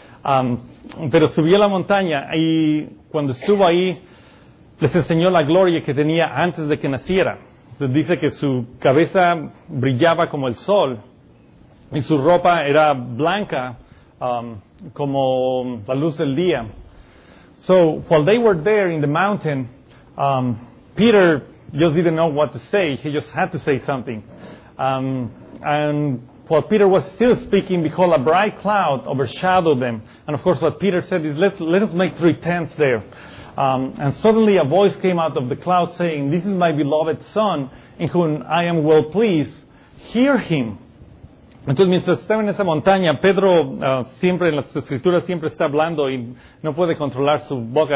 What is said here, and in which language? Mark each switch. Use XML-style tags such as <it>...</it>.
<es>Pero subió la montaña y cuando estuvo ahí, les enseñó la gloria que tenía antes de que naciera. Entonces dice que su cabeza brillaba como el sol y su ropa era blanca como la luz del día.</es> <en>So while they were there in the mountain, Peter just didn't know what to say. He just had to say something. And while Peter was still speaking, behold, a bright cloud overshadowed them. And of course, what Peter said is, let us make 3 tents there. And suddenly a voice came out of the cloud saying, this is my beloved son in whom I am well pleased. Hear him.</en> <es>Entonces, mientras estaba en esa montaña, Pedro siempre en las escrituras siempre está hablando y no puede controlar su boca.</es>